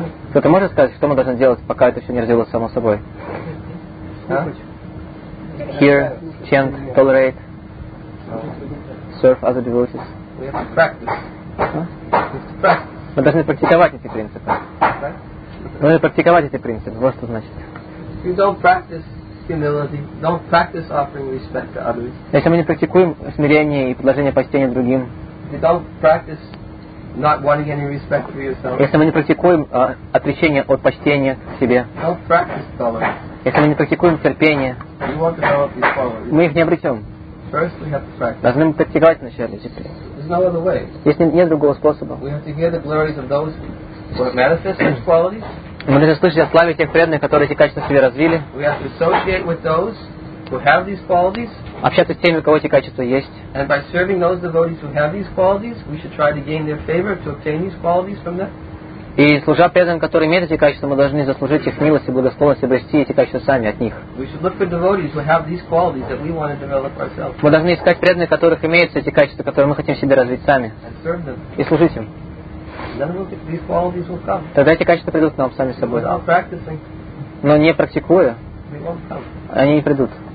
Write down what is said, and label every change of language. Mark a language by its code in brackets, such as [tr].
[ru] Кто-то может сказать, что мы должны делать, пока это все не развилось само собой? [en] Huh? Hear, chant, tolerate, serve other devotees. We have to practice. Huh? [ru] Мы должны практиковать эти принципы. Мы должны практиковать эти принципы. Вот что значит. [en] You don't practice humility, don't practice offering respect to others. [ru] Если мы не практикуем смирение и предложение почтения другим. [en] You don't practice not wanting any respect for yourself. [ru] Если мы не практикуем отречение от почтения к себе. [en] Don't practice tolerance. [ru] Если мы не практикуем терпение. [en] You won't develop these qualities. [ru] Мы их не обретем. [en] First we have to practice. [ru] Должны мы практиковать вначале теперь. [en] There's no other way. [ru] Если нет другого способа. [en] We have to hear the glories of those who have manifested such qualities. [ru] Мы должны слышать о славе тех преданных, которые эти качества в себе развили. [en] We have to associate with those who have these qualities. [ru] Общаться с теми, у кого эти качества есть. [en] And by serving those devotees who have these qualities, we should try to gain their favor to obtain these qualities from them. [ru] И служа преданным, которые имеют эти качества, мы должны заслужить их милость и благосклонность, обрести эти качества сами от них. [en] We should look for devotees who have these qualities that we want to develop ourselves. [ru] Мы должны искать преданных, у которых имеются эти качества, которые мы хотим себе развить сами. [en] And serve them. [ru] И служить им. [en] Then these qualities will come. [ru] Тогда эти качества придут к нам сами собой. [en] Without practicing. [ru] Но не практикуя, [en] they won't come. [ru] Они не придут.